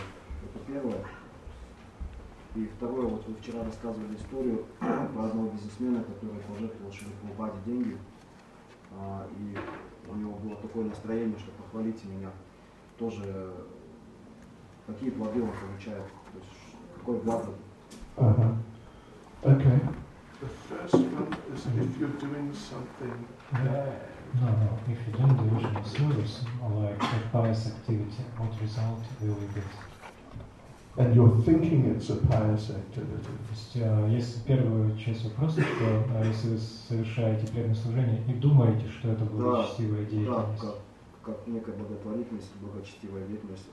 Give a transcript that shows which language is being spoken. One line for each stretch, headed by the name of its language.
Russian: Это первое. И второе, вот вы вчера рассказывали историю про одного бизнесмена, который пожертвовал Шрилупаде деньги, и у него было такое настроение, что похвалите меня. Тоже какие плоды он получает? То есть какой благо?
English: Okay. The first one is if you're doing something No. If you don't do any service, like a pious activity, what result will you get? And you're thinking it's a pious activity.
Russian: То есть, если первую часть вопроса, что если вы совершаете преданное служение и думаете, что это благочестивая деятельность. Да, как некая благотворительность, благочестивая деятельность.